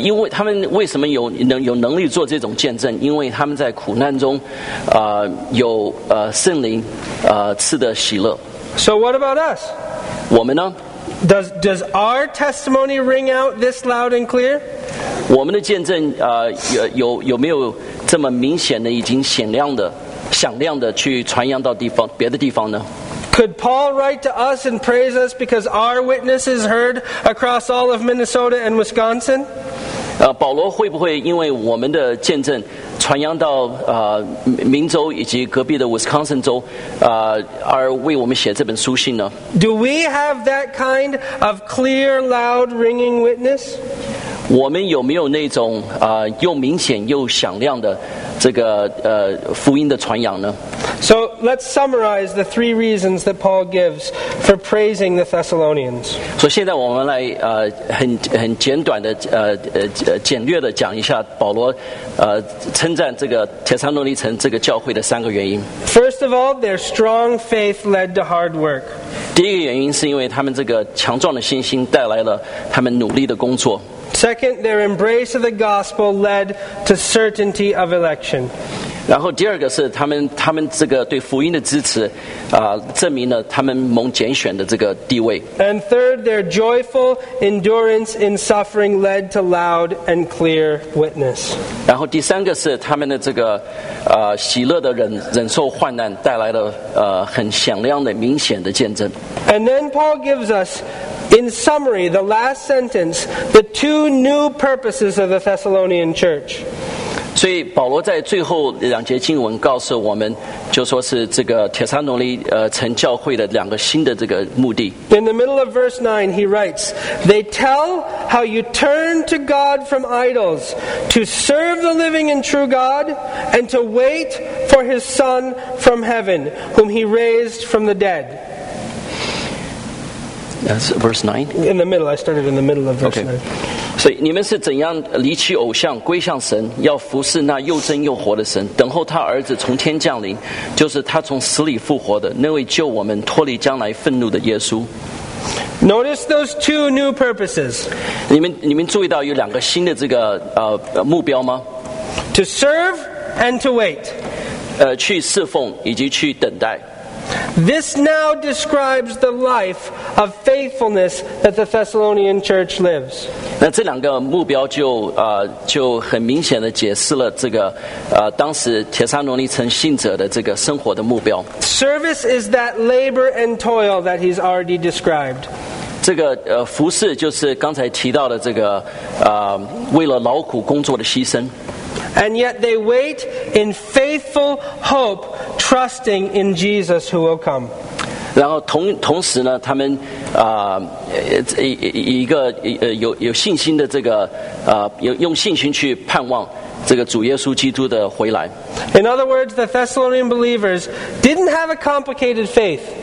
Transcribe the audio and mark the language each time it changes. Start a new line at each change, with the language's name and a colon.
Chinese: 他们为什么有能力做这种见证？因为他们在苦难中，有圣灵赐的喜乐。
English: So what about us?
Chinese: 我们呢？
English: Does our testimony ring out this loud and clear?
Chinese: 我们的见证有没有这么明显的已经显亮的？响亮的去传扬到地方，别的地方呢？
English: Could Paul write to us and praise us because our witness is heard across all of Minnesota and Wisconsin?
Chinese: 保罗会不会因为我们的见证传扬到明州以及隔壁的 Wisconsin 州而为我们写这本书信呢？
English: Do we have that kind of clear, loud, ringing witness?
Chinese: 我们有没有那种又明显又响亮的这个福音的传扬呢？
English: So let's summarize the three reasons that Paul gives for praising the Thessalonians.
Chinese: 所以现在我们来很简短的简略的讲一下保罗称赞这个帖撒罗尼城这个教会的三个原因。
English: First of all, their strong faith led to hard work.
Chinese: 第一个原因是因为他们这个强壮的信心带来了他们努力的工作。
English: Second, their embrace of the gospel led to certainty of election.
Chinese: 然后第二个是他们这个对福音的支持，证明了他们蒙拣选的这个地位。
English: And third, their joyful endurance in suffering led to loud and clear witness.
Chinese: 然后第三个是他们的这个喜乐的忍受患难带来了很响亮的明显的见证。
English: And then Paul gives us, in summary, the last sentence, the two new purposes of the Thessalonian church.
Chinese: 所以保罗在最后两节经文告诉我们，就说是这个帖撒罗尼城教会的两个新的这个目的。
English: In the middle of verse 9, he writes, "They tell how you turn to God from idols to serve the living and true God and to wait for His Son from heaven, whom He raised from the dead." That's verse 9. In the middle, I started in the middle of verse 9. Okay.
Chinese: 所以你们是怎样离弃偶像归向神，要服侍那又真又活的神，等候他儿子从天降临，就是他从死里复活的那位救我们脱离将来愤怒的耶稣。
English: Notice those two new purposes.
Chinese: 你们注意到有两个新的这个目标吗？
English: To serve and to wait.
Chinese: 去侍奉以及去等待。
English: This now describes the life of faithfulness that the Thessalonian church lives.
Chinese: 那这两个目标就很明显的解释了这个当时帖撒罗尼城信者的这个生活的目标。
English: Service is that labor and toil that he's already described.
Chinese: 这个服侍就是刚才提到的这个为了劳苦工作的牺牲。
English: And yet they wait in faithful hope, trusting in Jesus who will come.
Chinese: 然后同时呢，他们有信心的这个用信心去盼望这个主耶稣基督的回来。
English: In other words, the Thessalonian believers didn't have a complicated faith.